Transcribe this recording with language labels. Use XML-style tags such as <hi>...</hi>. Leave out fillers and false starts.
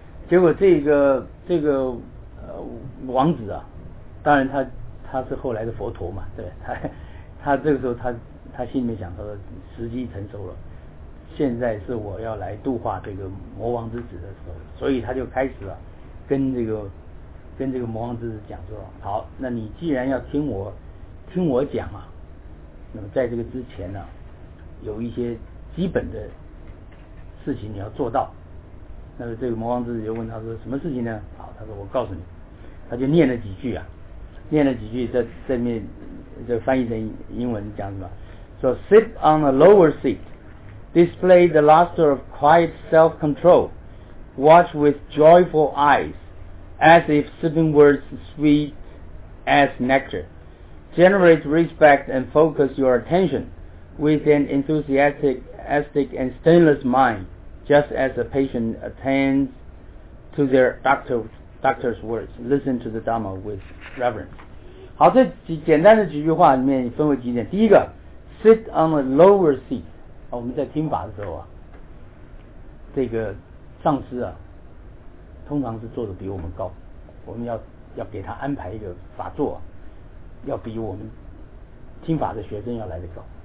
<zh>结果这个王子啊，当然他是后来的佛陀嘛，对，他这个时候他心里面想，他说时机成熟了，现在是我要来度化这个魔王之子的时候，所以他就开始啊，跟这个魔王之子讲说，好，那你既然要听我讲啊，那么在这个之前呢、啊，有一些基本的事情你要做到。那么这个魔王之子就问他说，什么事情呢？好，他说我告诉你，他就念了几句啊，念了几句，在面就翻译成英文讲什么？</zh> <en>说 sit on a lower seat, display the luster of quiet self-control, watch with joyful eyes, as if sipping words sweet as nectar, generate respect and focus your attention with an enthusiastic and stainless mind.Just as a patient attends to their doctor's words, listen to the Dhamma with reverence.</en> <zh>好，这几简单的几句话里面分为几点。第一个</zh> <en>，sit on a lower seat。</en> <zh>啊，我们在听法的时候啊，这个上师啊，通常是坐的比我们高，我们要给他安排一个法座，要比我们听法的学生要来得高。</zh>